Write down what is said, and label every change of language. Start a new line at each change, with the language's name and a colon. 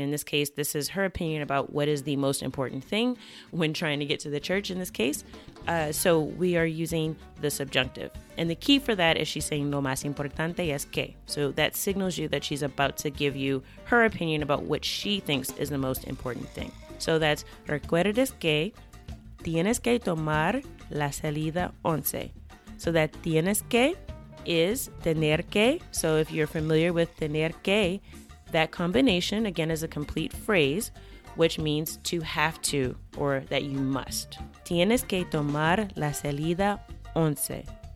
English: In this case, this is her opinion about what is the most important thing when trying to get to the church in this case. So we are using the subjunctive. And the key for that is she's saying lo más importante es que. So that signals you that she's about to give you her opinion about what she thinks is the most important thing. So that's recuerdes que tienes que tomar la salida 11. So that tienes que is tener que. So if you're familiar with tener que, that combination, again, is a complete phrase, which means to have to or that you must.
Spanish: Tienes que tomar la salida 11.